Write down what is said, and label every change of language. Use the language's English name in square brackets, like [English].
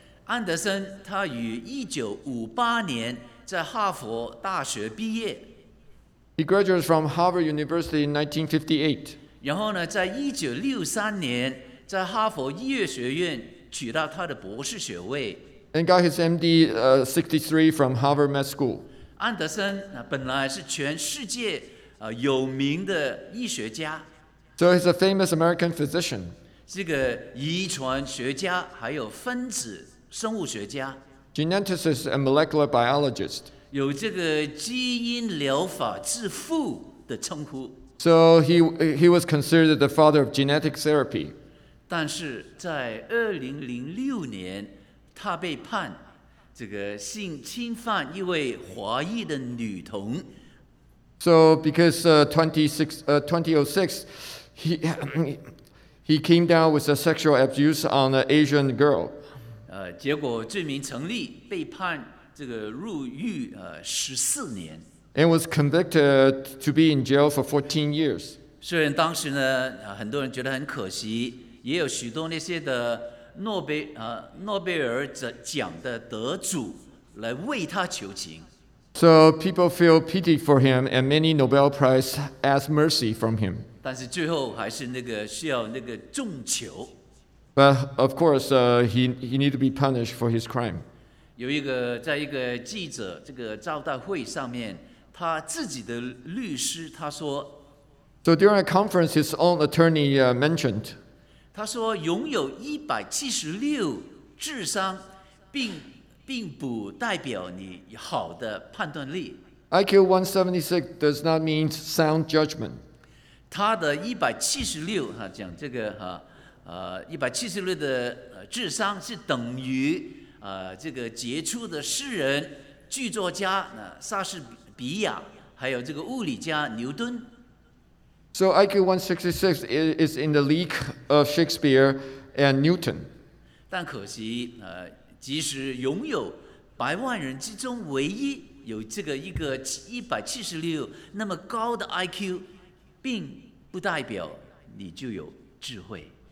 [Chinese] 安德森他于1958年在哈佛大学毕业。 [English] He graduated from Harvard University in 1958. [Chinese] 然后呢，在1963年在哈佛医学学院取到他的博士学位。 [English] And got his MD 63 from Harvard Med School. [Chinese] 安德森本来是全世界有名的医学家。 [English] So he's a famous American physician. [Chinese] 是个遗传学家，还有分子生物学家 [English] ，geneticist and molecular biologist， [Chinese] 有这个基因疗法之父的称呼。 [English] So he was considered the father of genetic therapy。 [Chinese] 但是在2006年，他被判这个性侵犯一位华裔的女童。 [English] So because 2006, he came down with a sexual abuse on an Asian girl。 [Chinese] 结果罪名成立，被判这个入狱14年。 [English] And was convicted to be in jail for 14 years. [Chinese] 虽然当时呢，很多人觉得很可惜，也有许多那些的诺贝尔奖的得主来为他求情。 [English] So people feel pity for him, and many Nobel Prize ask mercy from him. [Chinese] 但是最后还是那个需要那个重囚。 [English] But of course, he need to be punished for his crime. [Chinese] 有一个在一个记者这个招待会上面，他自己的律师他说。 [English] So during a conference, his own attorney mentioned. [Chinese] 他说拥有176智商，并不代表你好的判断力。 [English] IQ 176 does not mean sound judgment. [Chinese] 他的176讲这个哈。 176的智商是等于这个杰出的诗人、剧作家莎士比亚，还有这个物理家牛顿。 [English] So IQ 166 is in the league of Shakespeare and Newton. [Chinese] 但可惜即使拥有百万人之中唯一有这个一个176那么高的 IQ， 并不代表你就有智慧。